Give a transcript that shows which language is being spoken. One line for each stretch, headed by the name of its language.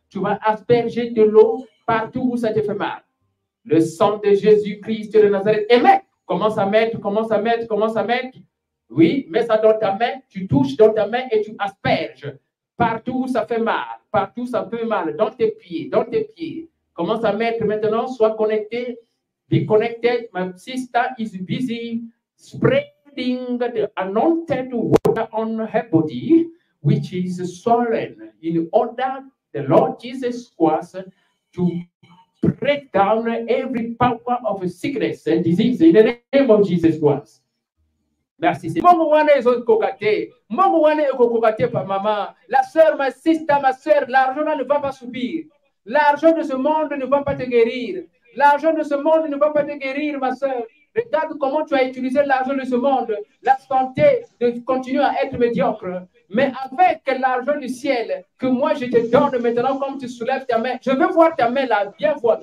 French: Tu vas asperger de l'eau partout où ça te fait mal. Le sang de Jésus-Christ de Nazareth. Et mets, commence à mettre. Oui, mets ça dans ta main. Tu touches dans ta main et tu asperges. Partout où ça fait mal, partout où ça fait mal, dans tes pieds. Commence à mettre maintenant, sois connecté.
English: Be connected, my sister is busy spreading the anointed water on her body, which is swollen, in order the Lord Jesus Christ to break down every power of sickness and disease in the name of Jesus Christ. Merci. Mongo wane zo kokate. Mongo wane kokokate pa mama.
French: La sœur, ma sister, ma sœur, l'argent ne va pas subir. L'argent de ce monde ne va pas te guérir. L'argent de ce monde ne va pas te guérir, ma sœur. Regarde comment tu as utilisé l'argent de ce monde. La santé continue à être médiocre. Mais avec l'argent du ciel que moi je te donne maintenant, comme tu soulèves ta main, je veux voir ta main là, bien voir.